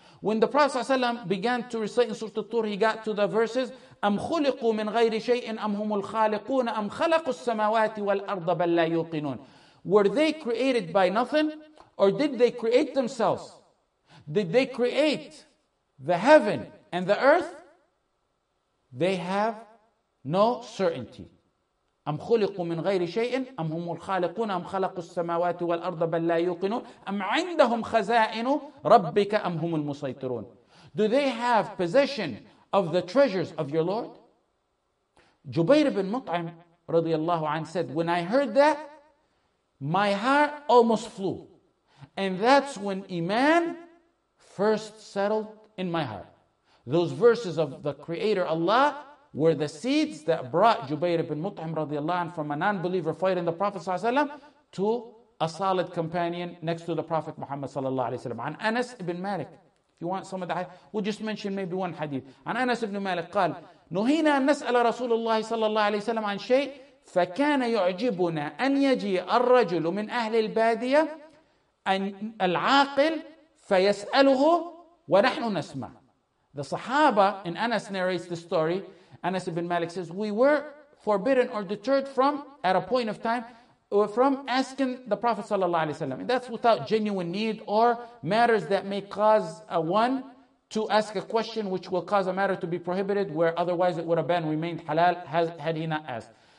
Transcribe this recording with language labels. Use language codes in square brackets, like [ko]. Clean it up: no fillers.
[en] When the Prophet ﷺ began to recite in Surah Al-Tur, he got to the verses, [ar] أَمْ خُلِقُوا مِنْ غَيْرِ شَيْءٍ أَمْ هُمُ الْخَالِقُونَ أَمْ خَلَقُوا السَّمَاوَاتِ وَالْأَرْضَ بَلْ لَا يُوقِنُونَ. [en] Were they created by nothing? Or did they create themselves? Did they create the heaven and the earth? They have no certainty. [ar] أَمْ خُلِقُوا مِنْ غَيْرِ شَيْءٍ أَمْ هُمُ الْخَالِقُونَ أَمْ خَلَقُوا السَّمَاوَاتِ وَالْأَرْضَ بَلْ لَا يُوقِنُونَ أَمْ عِنْدَهُمْ خَزَائِنُ رَبِّكَ أَمْ هُمُ الْمُسَيْطِرُونَ [en] Do they have possession of the treasures of your Lord? Jubair ibn Mut'im [ar] رضي الله عنه [en] said, when I heard that, my heart almost flew. And that's when Iman first settled in my heart. Those verses of the Creator Allah were the seeds that brought Jubair ibn Mut'im radiallahu anhu from a non-believer fighting the Prophet sallallahu alayhi wa sallam to a solid companion next to the Prophet Muhammad sallallahu alayhi wa sallam. An Anas ibn Malik. If you want some of the hadith, we'll just mention maybe one hadith. [ar] An Anas ibn Malik قال, نهينا أن نسأل رسول الله صلى الله عليه وسلم عن شيء فكان يعجبنا أن يجي الرجل من أهل البادية العاقل فيسأله ونحن نسمع. [en] The Sahaba in Anas narrates the story. Anas ibn Malik says, we were forbidden or deterred from, at a point of time, from asking the Prophet sallallahu alayhi wa sallam. That's without genuine need or matters that may cause one to ask a question which will cause a matter to be prohibited where otherwise it would have been remained halal had he not asked.